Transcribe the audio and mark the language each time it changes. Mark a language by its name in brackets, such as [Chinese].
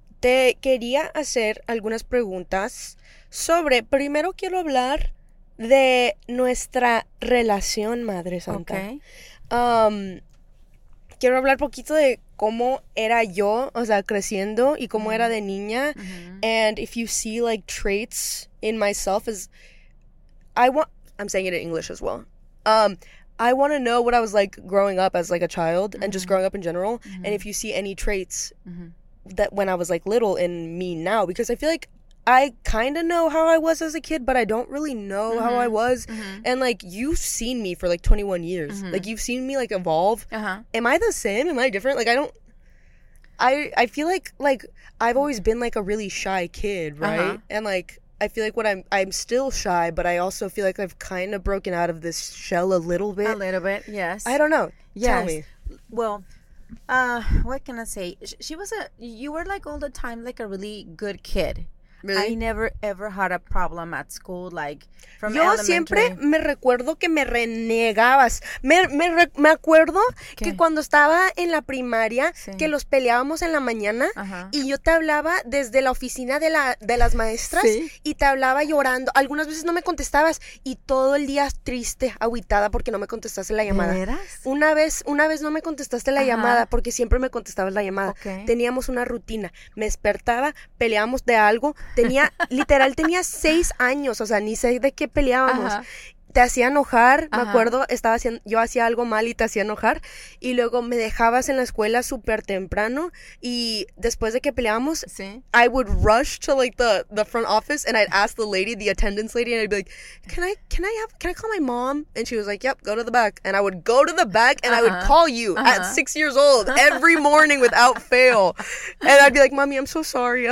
[Spanish] Te quería hacer algunas preguntas sobre... Primero quiero hablar de nuestra relación, madre santa. Ok. Quiero hablar poquito de cómo era yo, o sea, creciendo y cómo, mm-hmm, era de niña. [English] Mm-hmm. And if you see, like, traits in myself as... I'm saying it in English as well. I want to know what I was like growing up as, like, a child, mm-hmm, and just growing up in general. Mm-hmm. And if you see any traits, mm-hmm, that when I was, like, little in me now. Because I feel like I kind of know how I was as a kid, but I don't really know, mm-hmm, how I was. Mm-hmm. And, like, you've seen me for, like, 21 years. Mm-hmm. Like, you've seen me, like, evolve. Uh-huh. Am I the same? Am I different? Like, I don't... I feel like, I've always been, like, a really shy kid, right? Uh-huh. And, like, I feel like when I'm still shy, but I also feel like I've kind of broken out of this shell a little bit. A little bit, yes. I don't know. Yes. Tell me. Well... what can I say? She was you were like all the time like a really good kid. Really? I never ever had a problem at school, like from [Spanish] yo [English] elementary. [Spanish] Siempre me recuerdo que me renegabas. Me acuerdo, okay, que cuando estaba en la primaria, sí, que los peleábamos en la mañana, uh-huh, y yo te hablaba desde la oficina de las maestras, ¿sí?, y te hablaba llorando. Algunas veces no me contestabas y todo el día triste, agüitada porque no me contestaste la llamada. ¿Eras? Una vez no me contestaste la, uh-huh, llamada porque siempre me contestabas la llamada. Okay. Teníamos una rutina. Me despertaba, peleábamos de algo. Tenía, literal, tenía 6 años, o sea, ni sé de qué peleábamos. Ajá. Te hacía enojar, ajá, me acuerdo, yo hacía algo mal y te hacía enojar. Y luego me dejabas en la escuela súper temprano. Y después de que peleábamos, ¿sí?, [English] I would rush to, like, the front office and I'd ask the lady, the attendance lady, and I'd be like, can I call my mom? And she was like, yep, go to the back. And I would go to the back and, ajá, I would call you, ajá, at 6 years old every morning without fail. And I'd be like, mami, I'm so sorry.